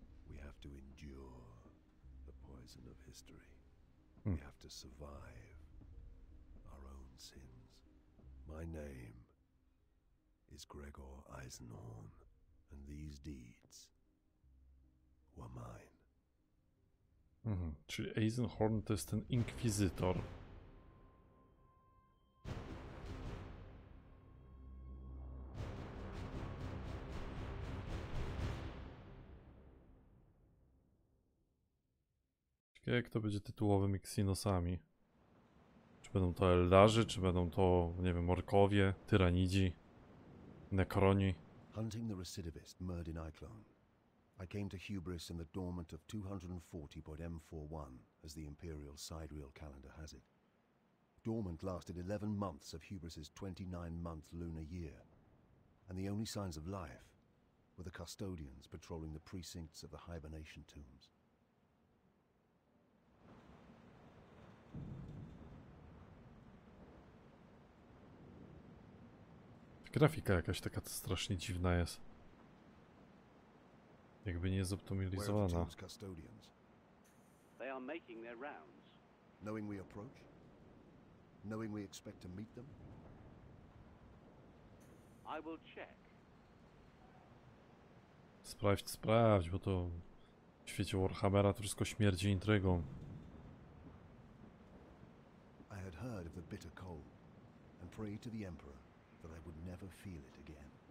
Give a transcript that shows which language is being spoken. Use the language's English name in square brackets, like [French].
[English] We have to endure the poison of history. We have to survive our own sins. My name is Gregor Eisenhorn, and these deeds were mine. [Polish] Czyli Eisenhorn to jest ten Inkwizytor. Jak to będzie tytułowymi Xenosami? Czy będą to Eldarzy, czy będą to, nie wiem, Orkowie, Tyranidzi, Nekroni? [English] Hunting the recidivist murdered in Eiklon. I came to Hubris in the dormant of 240.M41, as the Imperial sidereal calendar has it. Dormant lasted 11 months of Hubris's 29-month lunar year, and the only signs of life were the custodians patrolling the precincts of the hibernation tombs. [Polish] Grafika jakaś taka strasznie dziwna jest. Jakby nie zoptymalizowana. [English] They are making their rounds. Knowing we approach? Knowing we expect to meet them? I will check. [Polish] Sprawdź, bo to w świecie Warhammera to wszystko śmierdzi intrygą. [English] I had heard of the bitter cold and prayed to the Emperor that I would never feel it again.